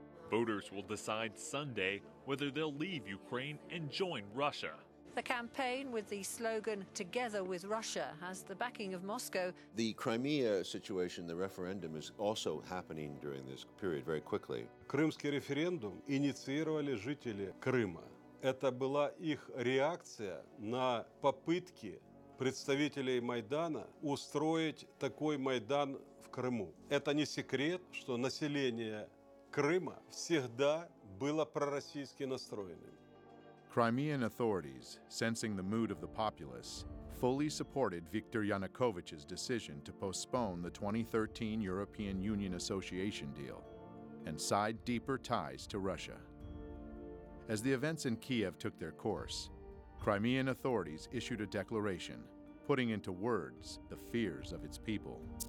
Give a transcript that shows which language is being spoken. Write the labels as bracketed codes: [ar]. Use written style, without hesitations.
[en] Voters will decide Sunday whether they'll leave Ukraine and join Russia. The campaign with the slogan "Together with Russia" has the backing of Moscow. The Crimea situation, the referendum, is also happening during this period very quickly. [uk] Кримський референдум ініціювали жителі Криму. Це була їх реакція на [ru] попытки представителей Майдана устроить такой Майдан в Криму. Это не секрет, что население Крыма всегда было пророссийски настроенным. [en] Crimean authorities, sensing the mood of the populace, fully supported Viktor Yanukovych's decision to postpone the 2013 European Union Association deal and side deeper ties to Russia. As the events in Kiev took their course, Crimean authorities issued a declaration, putting into words the fears of its people.